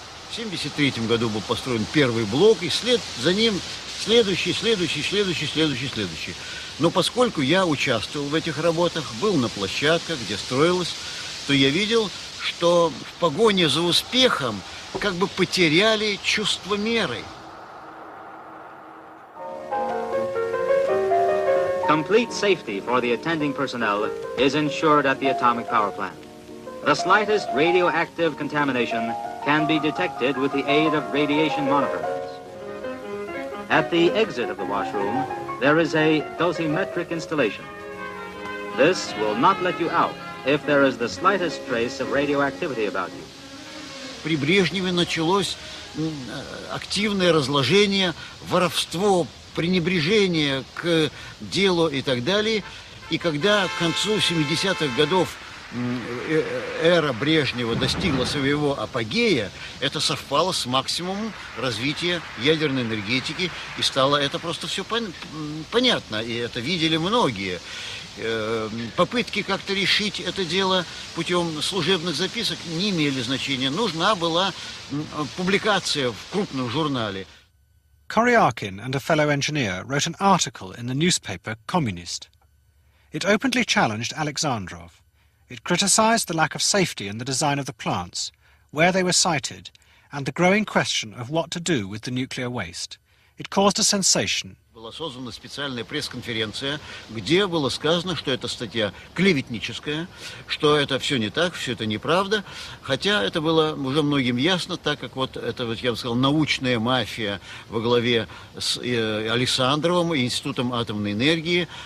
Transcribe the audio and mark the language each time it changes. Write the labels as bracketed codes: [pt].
[ru] В 73-м году был построен первый блок, и след за ним следующий. Но поскольку я участвовал в этих работах, был на площадках, где строилось, то я видел, что в погоне за успехом как бы потеряли чувство меры. [en] Complete safety for the attending personnel is ensured at the atomic power plant. The slightest radioactive contamination can be detected with the aid of radiation monitors. At the exit of the washroom, there is a dosimetric installation. This will not let you out if there is the slightest trace of radioactivity about you. [ru] При Брежневе началось активное разложение, воровство, пренебрежение к делу и так далее. И когда к концу 70-х годов эра Брежнева достигла своего апогея, это совпало с максимумом развития ядерной энергетики, и стало это просто все понятно, и это видели многие. Попытки как-то решить это дело путем служебных записок не имели значения. Нужна была публикация в крупном журнале. [en] Koryakin and a fellow engineer wrote an article in the newspaper Communist. It openly challenged Alexandrov. It criticized the lack of safety in the design of the plants, where they were sited, and the growing question of what to do with the nuclear waste. It caused a sensation. [ru] Была создана специальная пресс-конференция, где было сказано, что эта статья клеветническая, что это все не так, все это неправда, хотя это было уже многим ясно, так как вот это, вот я бы сказал, научная мафия во главе с Александровым и Институтом атомной энергии.